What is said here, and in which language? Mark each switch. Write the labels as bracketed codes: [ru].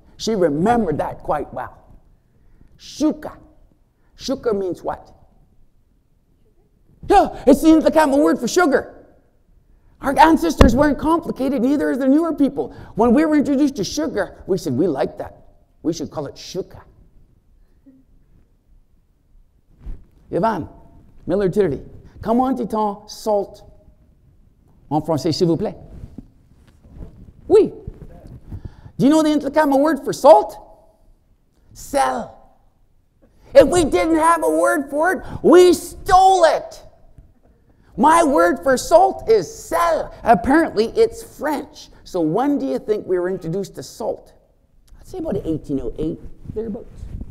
[en] She remembered that quite well. Shuka. Shuka means what? Yeah, it seems like I'm a word for sugar. Our ancestors weren't complicated, neither are the newer people. When we were introduced to sugar, we said, we like that. We should call it shuka. [fr] Yvonne, Miller Tirdy, comment dit-on salt en français, s'il vous plaît? Oui. [en] Do you know the Nlaka’pamux word for salt? Sel. If we didn't have a word for it, we stole it. My word for salt is sel. Apparently, it's French. So when do you think we were introduced to salt? I'd say about 1808, thereabouts.